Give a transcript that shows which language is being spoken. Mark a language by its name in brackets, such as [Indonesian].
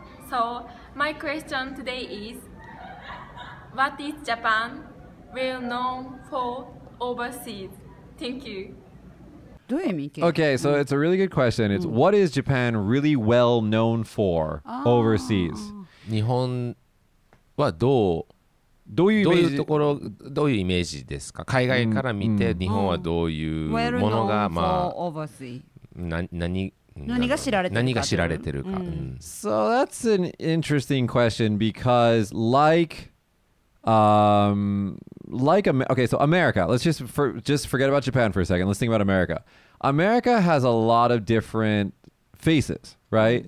[English] So, my question today is, what is Japan well known for? Overseas. Thank you. Okay, so it's a really good question. It's what is Japan really well known for overseas? [Japanese] 日本はどうどういうイメージですか?海外から見て 日本はどういう ものが [English] well known for overseas [Japanese] 何が知られてるか [English] So that's an interesting question because okay, so America. Let's just forget about Japan for a second. Let's think about America. America has a lot of different faces, right?